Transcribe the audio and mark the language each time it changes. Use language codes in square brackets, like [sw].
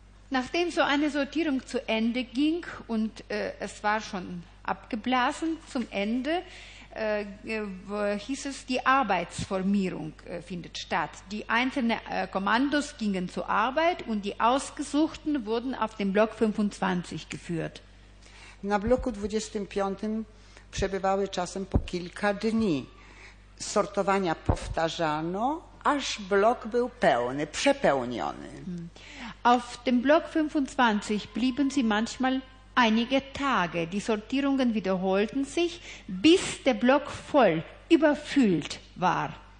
[de] Nachdem so eine Sortierung zu Ende ging und es war schon abgeblasen zum Ende, hieß es, die Arbeitsformierung findet statt. Die einzelnen Kommandos gingen zur Arbeit und die Ausgesuchten wurden auf den Block 25 geführt. [pl] Na bloku 25 przebywały czasem po kilka dni. Sortowania powtarzano, aż blok był pełny, przepełniony. [de] Auf dem Block 25 blieben sie manchmal einige Tage, die Sortierungen wiederholten sich, bis der Block voll, überfüllt war.